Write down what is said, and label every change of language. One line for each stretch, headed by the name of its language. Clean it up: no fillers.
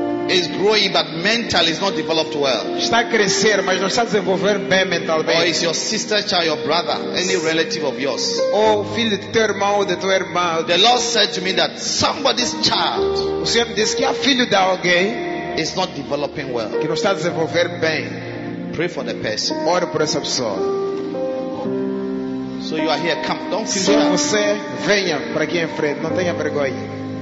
English: Is growing, but mentally is not developed well.
Portuguese: Está a crescer, mas não está a desenvolver bem mentalmente.
English: Or is your sister, child, your brother, any relative of yours?
Portuguese: Ou filho de teu irmão, de tua irmã.
English: The Lord said to me that somebody's child.
Portuguese: O Senhor disse que há filho de alguém
English: is not developing well.
Portuguese: Que não está a desenvolver bem.
English: Pray for the person.
Portuguese: Ore por essa pessoa.
English: So you are here. Come. Don't feel.
Portuguese: Se você venha para aqui em frente, não tenha vergonha.